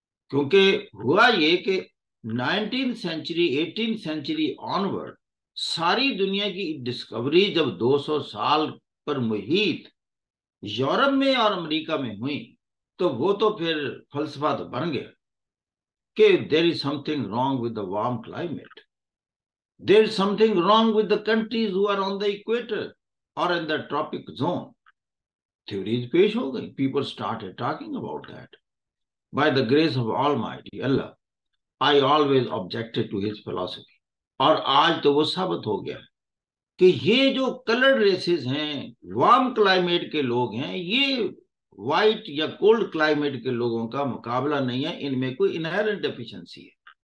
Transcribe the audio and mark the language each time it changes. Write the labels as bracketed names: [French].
[Urdu] کیونکہ ہوا یہ کہ 19th century 18th century onward ساری دنیا کی ڈسکوری جب 200 سال پر محیط یورپ میں اور امریکہ میں ہوئی تو وہ تو پھر فلسفہ تو بن گیا کہ [English] There is some thing wrong with the warm climate There is something wrong with the countries who are on the equator or in the tropic zone. Theories [Urdu] پیش ہو گئی. [English] People started talking about that. By the grace of Almighty, Allah. I always objected to his philosophy, [Urdu] اور آج تو وہ ثابت ہو گیا کہ یہ جو کلر ریسز ہیں، وارم کلائمیٹ کے لوگ ہیں، یہ وائٹ یا کولڈ کلائمیٹ کے لوگوں کا مقابلہ نہیں ہے، ان میں کوئی انہیرنٹ ڈیفیشنسی ہے.